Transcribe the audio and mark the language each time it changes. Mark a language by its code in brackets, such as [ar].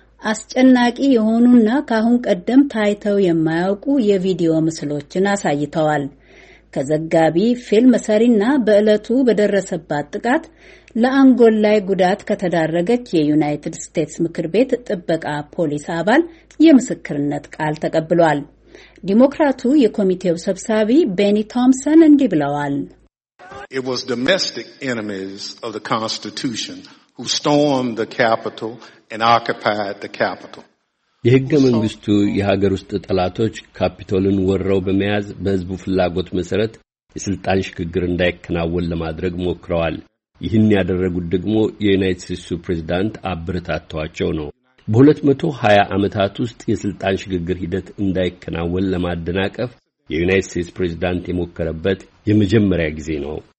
[am] አስጨናቂ የሆኑና ካሁን ቀደም ታይተው የማያውቁ የቪዲዮ ምስሎችን አሳይተዋል። ከዘጋቢ ፊልም ሰሪና በእለቱ በደረሰባት ጥቃት ለአንጎል ላይ ጉዳት ከተዳረገች የዩናይትድ ስቴትስ ምክር ቤት ጥበቃ ፖሊስ አባል የምስክርነት ቃል ተቀብሏል። ዲሞክራቱ የኮሚቴው ሰብሳቢ ቤኒ ቶምሰን እንዲህ ብለዋል። [en] It was domestic enemies of the Constitution who stormed the Capitol and occupied the Capitol. [am] የሕገ መንግስቱ የሀገር ውስጥ ጠላቶች ካፒቶልን ወረው በመያዝ በህዝቡ ፍላጎት መሰረት የስልጣን ሽግግር እንዳይከናወን ለማድረግ ሞክረዋል። ይህን ያደረጉት ደግሞ የዩናይትድ ስቴትስ ፕሬዝዳንት አብርታቷቸው ነው። በ220 ዓመታት ውስጥ የስልጣን ሽግግር ሂደት እንዳይከናወን ለማደናቀፍ የዩናይትድ ስቴትስ ፕሬዝዳንት የሞከረበት የመጀመሪያ ጊዜ ነው።